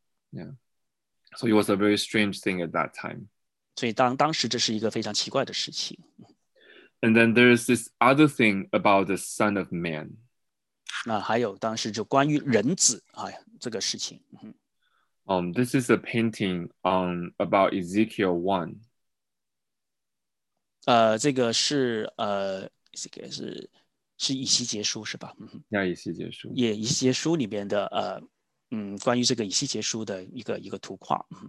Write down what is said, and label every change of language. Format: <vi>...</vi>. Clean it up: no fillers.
<en>Yeah, so it was a very strange thing at that time.</en> <zh>所以当时这是一个非常奇怪的事情。</zh> <en>And then there is this other thing about the Son of Man.</en> <zh>那还有当时就关于人子、哎、这个事情。</zh> <en>This is a painting about Ezekiel 1.</en> <zh>这个是Ezekiel 是以西结书是吧？亚以西结书。也以西结书里面的关于这个以西结书的一个图画。</zh>